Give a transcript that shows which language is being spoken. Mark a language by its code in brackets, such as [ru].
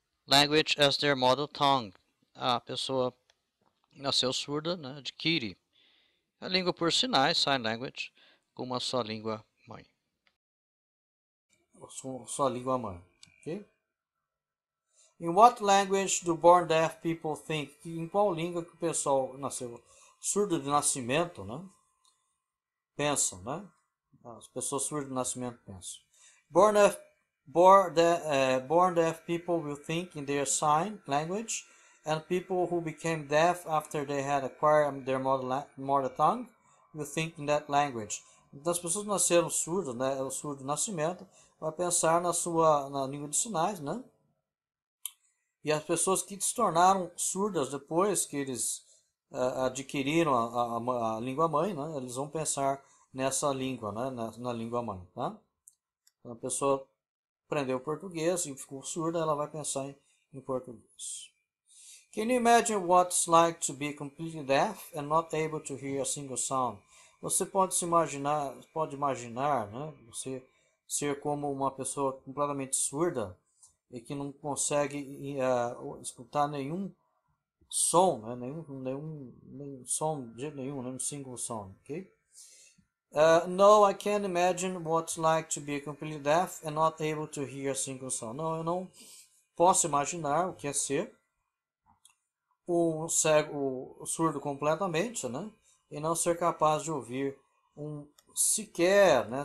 [en] language as their mother tongue. [pt] A pessoa nasceu surda, né? Adquire a língua por sinais, sign language, como a sua língua mãe. Sua língua mãe. Okay? [en] In what language do born deaf people think? [pt] Em qual língua que o pessoal nasceu surdo de nascimento, né? Pensam, né? As pessoas surdas de nascimento pensam. Born deaf people will think in their sign language, and people who became deaf after they had acquired their mother tongue will think in that language. Então, as pessoas nasceram surdas, né? O surdo de nascimento vai pensar na língua de sinais, né? E as pessoas que se tornaram surdas depois que eles adquiriram a língua mãe, né? Eles vão pensar nessa língua, né? Na língua mãe, tá? Então, a pessoa aprendeu português e ficou surda, ela vai pensar em português. [en] Can you imagine what it's like to be completely deaf and not able to hear a single sound? [pt] Você pode se imaginar, pode imaginar, né? Você ser como uma pessoa completamente surda e que não consegue escutar nenhum som, né? Nenhum som, de jeito nenhum, nenhum [en] single sound, [pt] ok? [en] No, I can't imagine what it's like to be completely deaf and not able to hear a single sound. [pt] Não, eu não posso imaginar o que é ser um cego, um surdo completamente, né? E não ser capaz de ouvir um sequer, né?